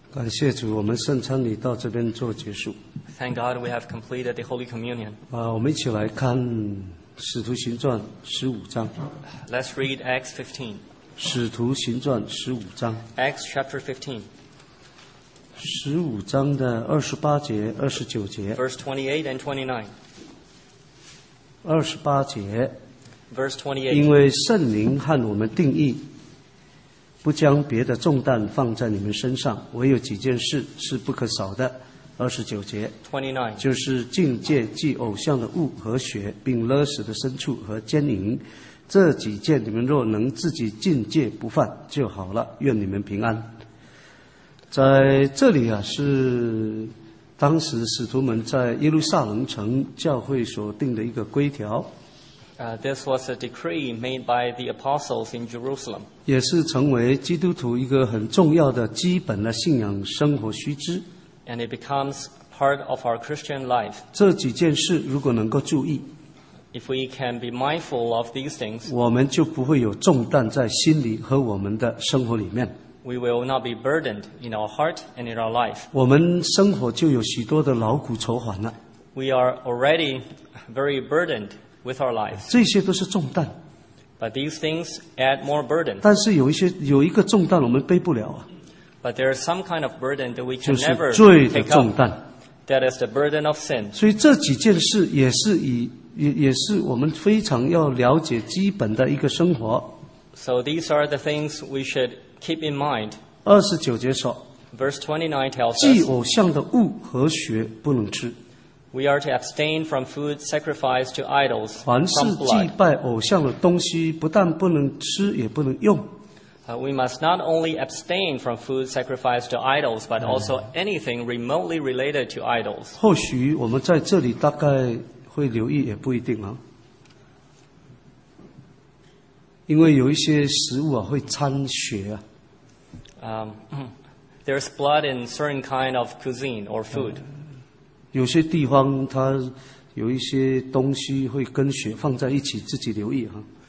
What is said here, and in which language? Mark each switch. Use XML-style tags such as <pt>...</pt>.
<zh>谢主，我们圣餐礼到这边做结束。</zh> <en>Thank God we have completed the Holy Communion.</en> <zh>我们一起来看《使徒行传》十五章。</zh> <en>Let's read Acts 15.</en> <zh>使徒行传十五章。</zh> <en>Acts chapter 15.</en> <zh>十五章的二十八节、二十九节。</zh> <en>Verse 28 and 29.</en> <zh>二十八节。</zh> <en>Verse 28.</en> <zh>因为圣灵和我们定义。不将别的重担放在你们身上，唯有几件事是不可少的。二十九节，就是敬戒、祭偶像的物和血，并勒死的牲畜和奸淫。这几件你们若能自己敬戒不犯就好了。愿你们平安。在这里啊，是当时使徒们在耶路撒冷城教会所定的一个规条。</zh> <en>This was a decree made by the apostles in Jerusalem.</en> <zh>也是成为基督徒一个很重要的基本的信仰生活须知。</zh> <en>And it becomes part of our Christian life.</en> <zh>这几件事如果能够注意，</zh> <en>If we can be mindful of these things,</en> <zh>我们就不会有重担在心里和我们的生活里面。</zh> <en>We will not be burdened in our heart and in our life.</en> <zh>我们生活就有许多的劳苦愁烦了。</zh> <en>We are already very burdened. With our lives.</en> <zh>这些都是重担。</zh> <en>But these things add more burden.</en> <zh>但是有一个重担我们背不了啊。</zh> <en>But there is some kind of burden that we can never take up.</en> <zh>就是罪的重担。</zh> <en>That is the burden of sin.</en> <zh>所以这几件事也是我们非常要了解基本的一个生活。</zh> <en>So these are the things we should keep in mind.</en> <zh>二十九节说。</zh> <en>Verse 29 tells us.</en> <zh>祭偶像的物和血不能吃。</zh> <en>We are to abstain from food sacrificed to idols.</en> <zh>凡是祭拜偶像的东西，不但不能吃，也不能用。</zh> <en>We must not only abstain from food sacrificed to idols, but also anything remotely related to idols.</en> <zh>或许我们在这里大概会留意，也不一定啊。因为有一些食物啊，会掺血啊。</zh> <en>There's blood in certain kind of cuisine or food.</en> <zh>有些地方它有一些东西会跟血放在一起，自己留意哈。</zh>